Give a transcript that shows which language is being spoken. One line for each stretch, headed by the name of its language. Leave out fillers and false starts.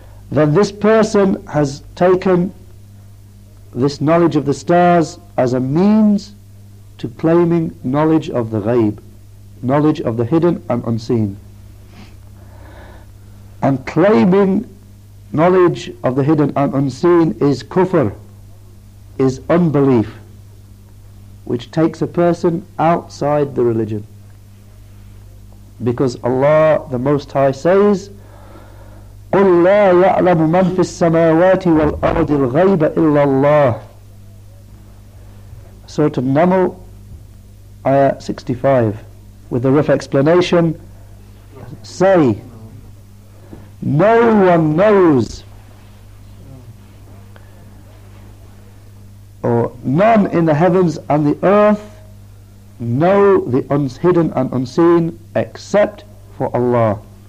English: Then this person has taken this knowledge of the stars as a means to claiming knowledge of the ghaib, knowledge of the hidden and unseen. And claiming knowledge of the hidden and unseen is kufr, is unbelief, which takes a person outside the religion. Because Allah the Most High says,
Arabic: قُلْ لَا يَعْلَمُ مَنْ فِي السَّمَاوَاتِ وَالْأَرْضِ الْغَيْبَ إِلَّا اللَّهِ.
English: Surah An-Naml, Ayah 65, with the rough explanation, say, No one knows. Or none in the heavens and the earth know the hidden and unseen except for Allah.